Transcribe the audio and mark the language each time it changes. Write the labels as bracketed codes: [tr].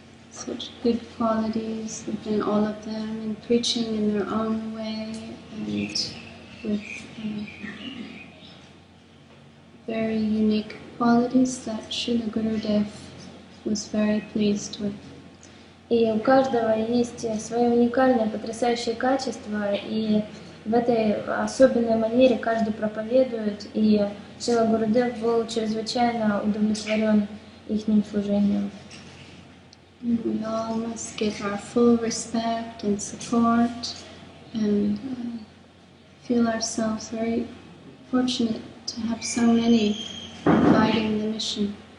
[en] Such good qualities within all of them, in preaching in their own way and with very unique qualities that Srila Gurudev was very pleased with. [ru] И у каждого есть свои уникальные, потрясающие качества, и в этой особенной манере каждый проповедует, и Шрила Гурудев был чрезвычайно удовлетворен ихним служением. [en] We all must give our full respect and support and feel ourselves very fortunate to have so many guiding the mission.